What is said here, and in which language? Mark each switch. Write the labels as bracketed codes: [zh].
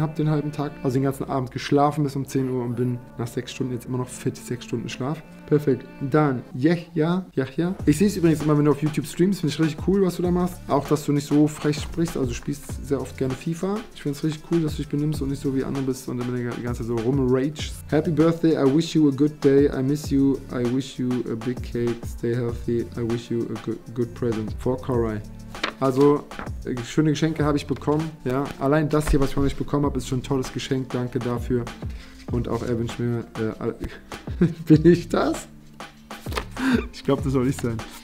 [de] Habe den halben Tag, also den ganzen Abend geschlafen bis um 10 Uhr und bin nach 6 Stunden jetzt immer noch fit. 6 Stunden Schlaf. Perfekt. Dann Yahya. Ich sehe es übrigens immer, wenn du auf YouTube streamst. Finde ich richtig cool, was du da machst. Auch, dass du nicht so frech sprichst. Also du spielst sehr oft gerne FIFA. Ich finde es richtig cool, dass du dich benimmst und nicht so wie andere bist und dann die ganze Zeit so rumrage. [en] Happy Birthday, I wish you a good day. I miss you. I wish you a big cake. Stay healthy. I wish you a good present. For Corey. [de] Also, schöne Geschenke habe ich bekommen. Ja, allein das hier, was ich von euch bekommen habe, ist schon ein tolles Geschenk. Danke dafür. Und auch er wünscht mir, bin ich das? Ich glaube, das soll ich sein.